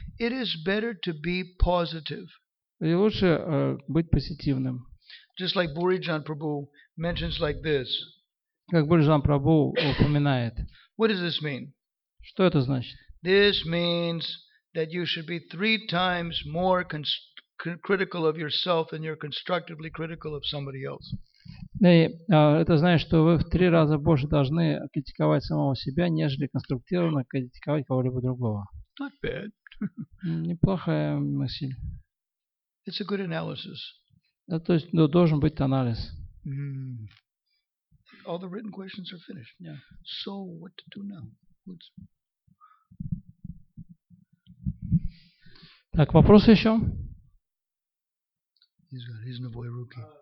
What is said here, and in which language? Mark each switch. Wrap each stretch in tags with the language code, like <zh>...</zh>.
<en>It is better to be positive.</en> <ru>И лучше быть позитивным.</ru> <en>Just like Burijan Prabhu mentions like this.</en> <ru>Как Бурижан Прабху упоминает.</ru> <en>What does this mean?</en> <ru>Что это значит?</ru> <en>This means that you should be three times more critical of yourself than you're constructively critical of somebody else.</en> <ru>И это значит, что вы в три раза больше должны критиковать самого себя, нежели конструктивно критиковать кого-либо другого.</ru> <en>Not bad.</en> <ru>Неплохая мысль.</ru> <en>It's a good analysis.</en> <ru>Да, то есть, ну, должен быть анализ.</ru> <en>All the written questions are finished. Yeah. So what to do now? What's...</en> <ru>Так, вопрос еще? He's got his novoy руки.</ru>